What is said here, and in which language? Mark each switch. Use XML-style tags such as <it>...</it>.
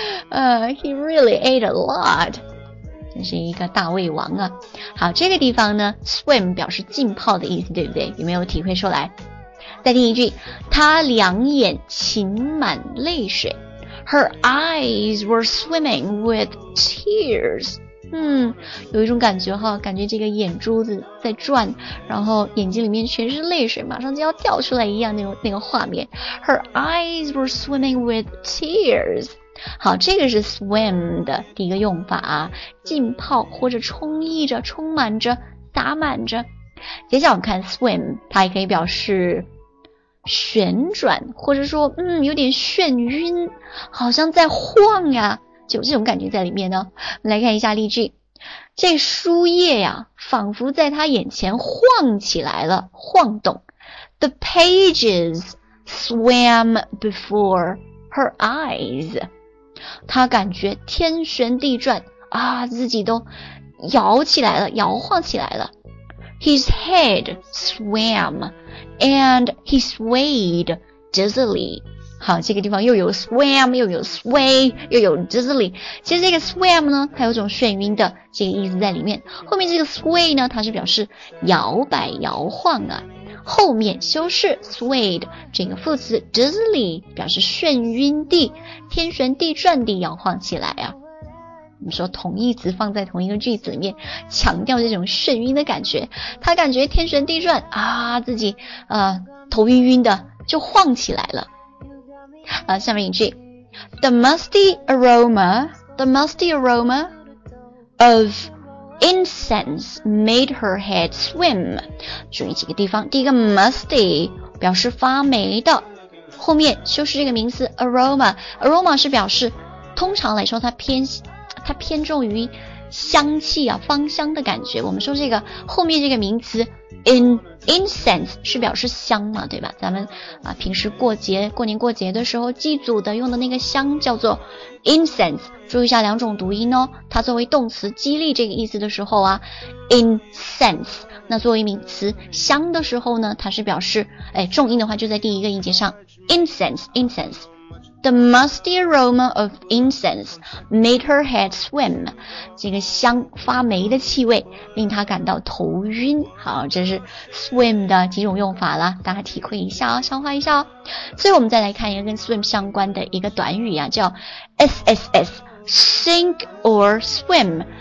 <en>He really ate a lot.</en> <zh>真是一个大胃王啊。好，这个地方呢 swim 表示浸泡的意思，对不对？有没有体会出来？再听一句，她两眼噙满泪水。</zh> <en>Her eyes were swimming with tears.</en> <zh>有一种感觉哈，感觉这个眼珠子在转，然后眼睛里面全是泪水，马上就要掉出来一样那个画面。</zh> <en>Her eyes were swimming with tears.</en> <zh>好，这个是 swim 的第一个用法啊，浸泡或者充溢着、充满着、打满着。接下来我们看 swim, 它也可以表示旋转，或者说有点眩晕，好像在晃呀，就有这种感觉在里面呢。我们来看一下例句，这书页呀，仿佛在他眼前晃起来了，晃动。</zh> <en>The pages swam before her eyes.</en> <zh>他感觉天旋地转啊，自己都摇起来了，摇晃起来了。</zh> <en>His head swam and he swayed dizzily.</en> <zh>好，这个地方又有 swam, 又有 sway, 又有 dizzily. 其实这个 swam 呢，它有种眩晕的这个意思在里面。后面这个 sway 呢，它是表示摇摆、摇晃啊。后面修饰 swayed 这个副词 dizzily 表示眩晕地天旋地转地摇晃起来啊，我们说同义词放在同一个句子里面强调这种眩晕的感觉，他感觉天旋地转啊，自己头晕晕的就晃起来了。下面一句</zh> <en>The musty aroma of incense made her head swim.</en> <zh>注意几个地方，第一个 musty 表示发霉的，后面修饰这个名词 aroma 是表示通常来说它偏重于香气啊，芳香的感觉。我们说这个后面这个名词 incense 是表示香嘛，对吧？咱们平时过节过年过节的时候祭祖的用的那个香叫做 incense。注意一下两种读音哦，它作为动词激励这个意思的时候啊 incense， 那作为名词香的时候呢，它是表示重音的话就在第一个音节上 incense。</zh> <en>The musty aroma of incense made her head swim.</en> <zh>这个香发霉的气味令她感到头晕。好，这是 swim 的几种用法了，大家体会一下哦，消化一下哦。所以我们再来看一个跟 swim 相关的一个短语啊，叫 SSS,</zh> <en>sink or swim.</en>